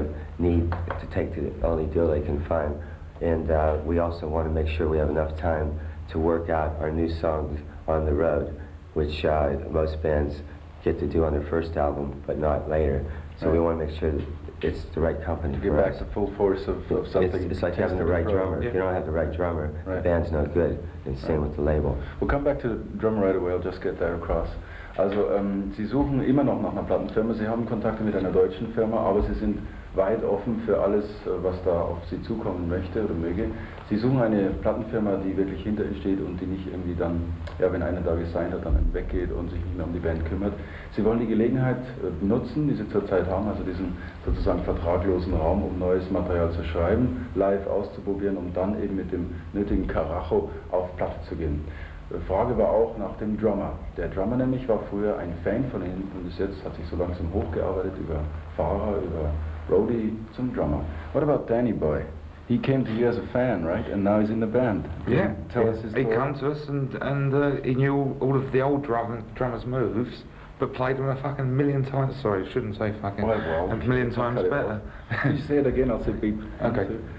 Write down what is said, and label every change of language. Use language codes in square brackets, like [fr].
[en] of need to take the only deal they can find. And we also want to make sure we have enough time to work out our new songs on the road, which most bands get to do on their first album, but not later. So right. we want to make sure that it's the right company to for give us. Back the full force of something. It's like having the right drummer. Yeah. If you don't have the right drummer, right. the band's no good. And same right. with the label. We'll come back to the drummer right away. I'll just get that across. [de] Also, Sie suchen immer noch nach einer Plattenfirma, Sie haben Kontakte mit einer deutschen Firma, aber Sie sind weit offen für alles, was da auf Sie zukommen möchte oder möge. Sie suchen eine Plattenfirma, die wirklich hinter Ihnen steht und die nicht irgendwie dann, ja, wenn einer da gesigned hat, dann weggeht und sich nicht mehr um die Band kümmert. Sie wollen die Gelegenheit nutzen, die Sie zurzeit haben, also diesen sozusagen vertraglosen Raum, um neues Material zu schreiben, live auszuprobieren, um dann eben mit dem nötigen Karacho auf Platte zu gehen. Frage war auch nach dem Drummer. Der Drummer nämlich war früher ein Fan von Ihnen und bis jetzt hat sich so langsam hochgearbeitet über Fahrer, über Roadie zum Drummer. [en] What about Danny Boy? He came to you as a fan, right? And now he's in the band. Yeah. Tell yeah. us his story. He came to us and he knew all of the old drummer's moves, but played them a fucking million times. Sorry, shouldn't say fucking. Well, a million times better. Can you say it again? I'll say beep. Okay.